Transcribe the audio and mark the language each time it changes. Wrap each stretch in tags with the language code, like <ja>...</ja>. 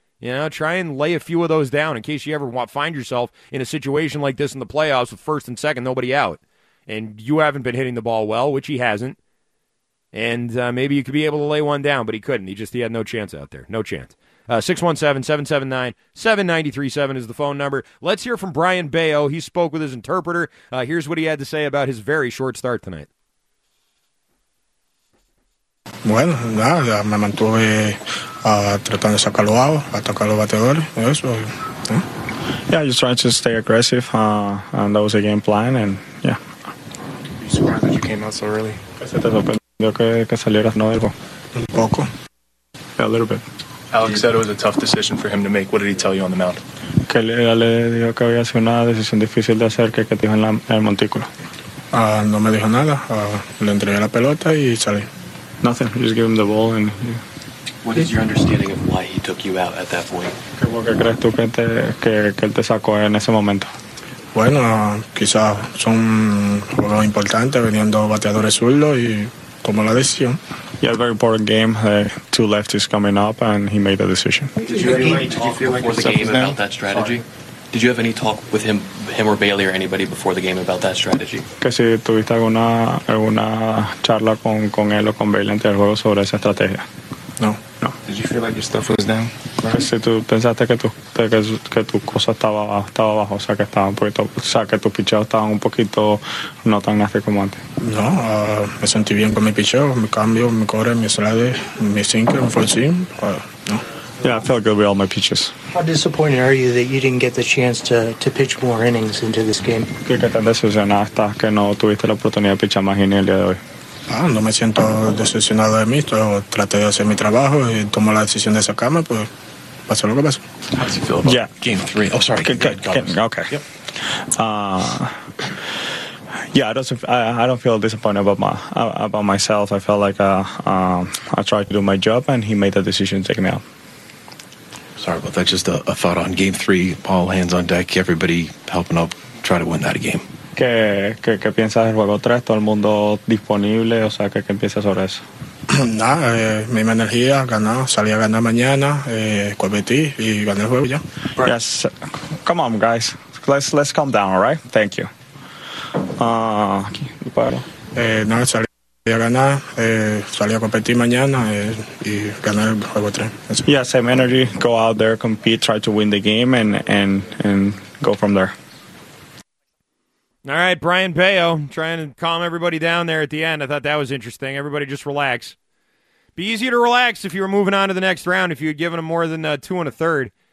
<en>You know, try and lay a few of those down in case you ever find yourself in a situation like this in the playoffs with first and second, nobody out, and you haven't been hitting the ball well, which he hasn't, and maybe you could be able to lay one down, but he couldn't. He had no chance out there. No chance. 617-779-7937 is the phone number. Let's hear from Brian Bayo. He spoke with his interpreter. Here's what he had to say about his very short start tonight.</en> <es>Bueno, nada, me mantuve tratando de sacarlo out, atacar los bateadores, eso.</es> <en>Yeah, just trying to stay aggressive, and that was a game plan, and yeah. You surprised that you came out so early?</en> <es>Se te sorprendió que salieras, ¿no? Un poco.</es> <en>Yeah, a little bit. Alex said it was a tough decision for him to make. What did he tell you on the mound?</en> <es>Que le dijo que había sido una decisión difícil de hacer, que dijo en el montículo. No me dijo nada. Le entregué la pelota y salí.</es> <en>Nothing. Just gave him the ball and. What is your understanding of why he took you out at that point?</en> <es>¿Qué fue que crees tú que él te sacó en ese momento? Bueno, quizás son juegos importantes, viniendo bateadores zurdos y tomó la decisión.</es> <en>Yeah, very important game. Two lefties coming up, and he made the decision. Did you have any talk with him or Bailey or anybody before the game about that strategy?</en> <es>Que si tuviste alguna charla con él o con Bailey antes del juego sobre esa estrategia. No.</es> <en>Did you feel like your stuff was down?</en> <es>Que si tú pensaste que tu cosa estaba bajo, o sea que estaban poquito, o sea que tus picheos estaban un poquito no tan así como antes. No, me sentí bien con mi picheo, mi cambio, mi core, mi slider, mi sinker, mi fulsim.</es> <en>Yeah, I felt good with all my pitches. How disappointed are you that you didn't get the chance to pitch more innings into this game?</en> <es>Que tan decepcionado estás que no tuviste la oportunidad de pichar más innings el día de hoy. No me siento decepcionado de mí. Traté de hacer mi trabajo y tomo la decisión de sacarme, pues pasó lo que pasó.</es> <en>How do you feel about game three? Oh, sorry. Okay. Yeah, I don't feel disappointed about myself. I felt like I tried to do my job, and he made the decision to take me out. Sorry about that. Just a thought on game three. All hands on deck. Everybody helping out try to win that game.</en> <es>¿Qué piensas del juego 3? ¿Todo el mundo disponible? O sea, ¿qué piensas sobre eso? Nada, misma energía, ganar, salir a ganar mañana, competir y ganar el juego ya.</es> <en>Right. Yes, come on, guys. Let's calm down, all right? Thank you.</en> <es>Aquí, para. Nada, salir a ganar, salir a competir mañana y ganar el juego 3.</es> <en>Yes, yeah, same energy, go out there, compete, try to win the game and go from there. All right, Brian Baio trying to calm everybody down there at the end. I thought that was interesting. Everybody just relax. Be easier to relax if you were moving on to the next round, if you had given him more than 2 1/3.</en>